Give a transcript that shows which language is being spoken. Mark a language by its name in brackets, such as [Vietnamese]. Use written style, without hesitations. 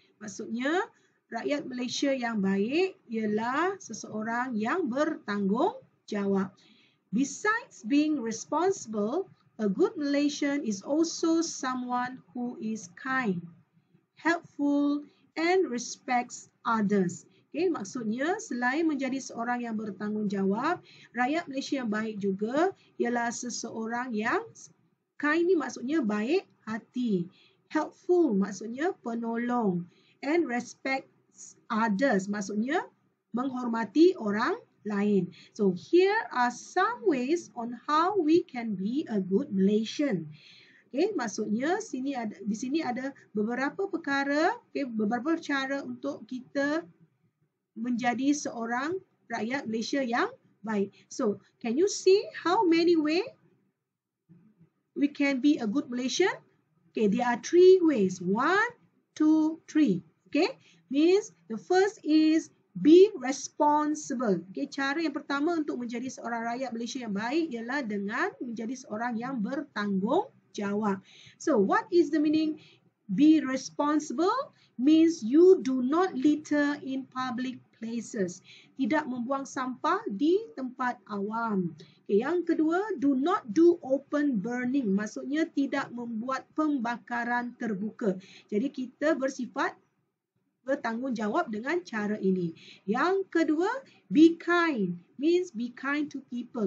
[Malay] Maksudnya, rakyat Malaysia yang baik ialah seseorang yang bertanggungjawab. [English] Besides being responsible, a good Malaysian is also someone who is kind, helpful and respects others. [Malay] Okay, maksudnya selain menjadi seorang yang bertanggungjawab, rakyat Malaysia yang baik juga ialah seseorang yang kind, ni maksudnya baik hati, helpful maksudnya penolong, [English] and respects others [Malay] maksudnya menghormati orang lain. [English] So here are some ways on how we can be a good Malaysian. [Malay] Okay, maksudnya sini ada, di sini ada beberapa perkara, okay, beberapa cara untuk kita menjadi seorang rakyat Malaysia yang baik. [English] So can you see how many way we can be a good Malaysian? Okay, there are three ways. 1, 2, 3. Okay, means the first is be responsible. [Malay] Okay, cara yang pertama untuk menjadi seorang rakyat Malaysia yang baik ialah dengan menjadi seorang yang bertanggungjawab. [English] So, what is the meaning? Be responsible means you do not litter in public places. [Malay] Tidak membuang sampah di tempat awam. Okay, yang kedua, [English] do not do open burning. [Malay] Maksudnya, tidak membuat pembakaran terbuka. Jadi, kita bersifat bertanggungjawab dengan cara ini. Yang kedua, [English] be kind means be kind to people.